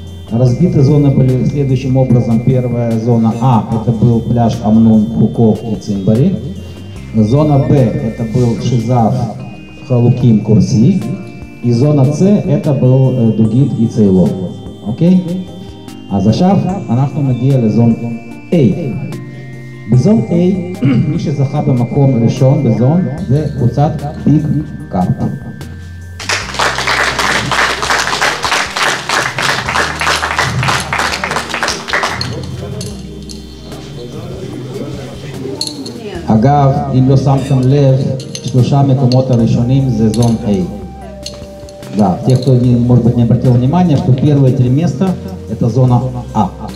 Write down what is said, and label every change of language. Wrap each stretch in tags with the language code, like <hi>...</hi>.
<ru>Разбиты зоны были следующим образом. Первая зона А – это был пляж Амнун, Куков и Цимбари. Зона Б – это был Шизав, Халуким, Курси. И зона С – это был Дугит и Цейло. Окей?</ru> <he>А за шаф אנחנו מגיעים לזון A. בזון A, מי שזכה במקום ראשון בזון, זה קבוצת Big Cup. אגב, אם לא שמתם לב, שלושה מקומות הראשונים זה זון A.</he> <ru>Да, те, кто, может быть, не обратил внимания, что первые три места – это зона A.</ru>